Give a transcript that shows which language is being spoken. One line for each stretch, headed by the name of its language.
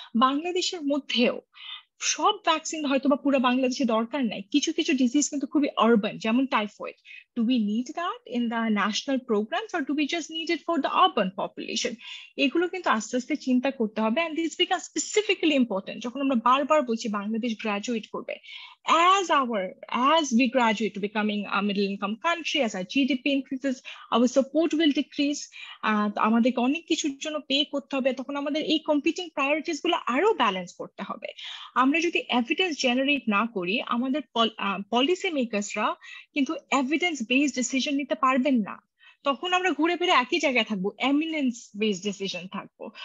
Bangla: বাংলাদেশের মধ্যেও সব ভ্যাকসিন হয়তো বা পুরো বাংলাদেশে দরকার নাই, কিছু কিছু ডিজিজ কিন্তু খুবই আরবান, যেমন typhoid.
English: Do we need that in the national programs or do we just need it for the urban population?
Bangla: এগুলো কিন্তু আস্তে আস্তে চিন্তা করতে হবে।
English: and this become specifically important
Bangla: যখন আমরা বারবার বলছি বাংলাদেশ গ্রাজুয়েট করবে,
English: as our, as we graduate to becoming a middle income country, as our GDP increases, our support will decrease.
Bangla: আমাদেরকে অনেক কিছুর জন্য পে করতে হবে, তখন আমাদের এই কম্পিটিং প্রায়োরিটিস গুলো আরো ব্যালেন্স করতে হবে। আমরা যদি এভিডেন্স জেনারেট না করি, আমাদের পলিসি মেকার্সরা কিন্তু এভিডেন্স বেসড ডিসিশন নিতে পারবেন না, তখন আমরা ঘুরে ফিরে একই জায়গায় থাকবো, এমিনেন্স বেসড ডিসিশন থাকবো।